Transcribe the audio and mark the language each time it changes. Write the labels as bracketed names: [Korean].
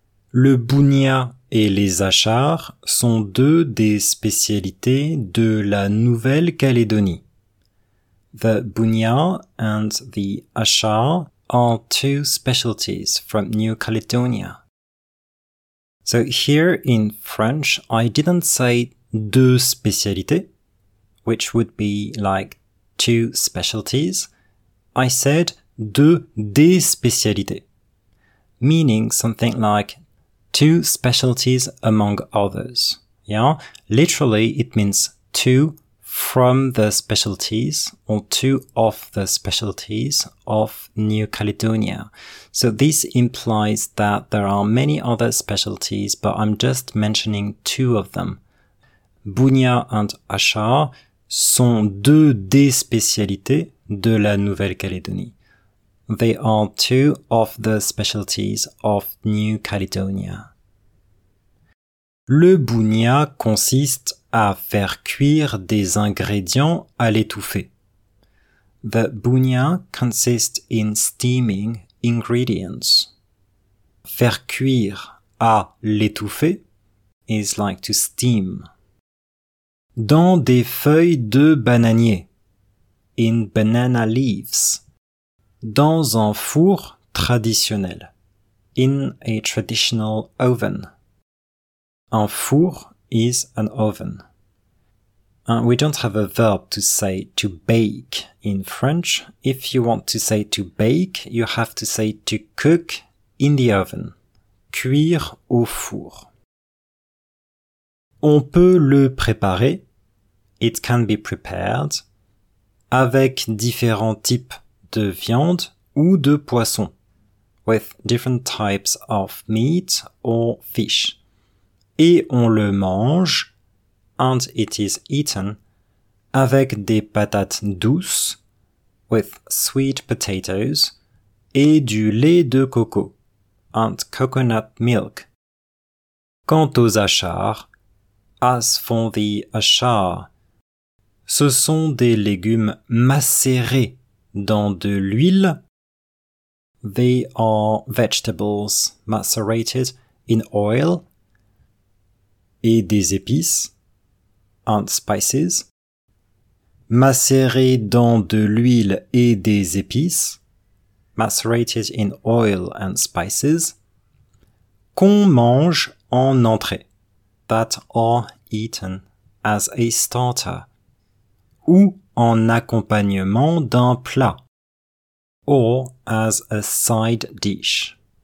[French] Le bounia et les achars sont deux des spécialités de la Nouvelle-Calédonie. [English] The bounia and the achar are two specialties from New Caledonia. So here in French, I didn't say [French] deux spécialités, [English] which would be like two specialties. I said [French] deux des spécialités. [English] meaning something like two specialties among others. Yeah, literally it means two from the specialties or two of the specialties of New Caledonia. So this implies that there are many other specialties, but I'm just mentioning two of them. [French] Bunia and Asha sont deux des spécialités de la Nouvelle-Calédonie. [English] They are two of the specialties of New Caledonia. [French] Le bunia consiste à faire cuire des ingrédients à l'étouffée. [English] The bunia consists in steaming ingredients. [French] Faire cuire à l'étouffée [English] is like to steam. [French] Dans des feuilles de bananier. [English] In banana leaves. [French] Dans un four traditionnel. [English] In a traditional oven. [French] Un four [English] is an oven. And we don't have a verb to say to bake in French. If you want to say to bake, you have to say to cook in the oven. [French] Cuire au four. On peut le préparer. [English] It can be prepared [French] avec différents types de viande ou de poisson. [English] With different types of meat or fish. [French] Et on le mange, [English] and it is eaten, [French] avec des patates douces, [English] with sweet potatoes, [French] et du lait de coco, [English] and coconut milk. [French] Quant aux achars, [English] as for the achar, [French] ce sont des légumes macérés dans de l'huile. [English] They are vegetables macerated in oil. [French] Et des épices, [English] and spices, [French] macérés dans de l'huile et des épices, [English] macerated in oil and spices, [French] qu'on mange en entrée, [English] that are eaten as a starter, [French] ou en accompagnement d'un plat, [English] or as a side dish.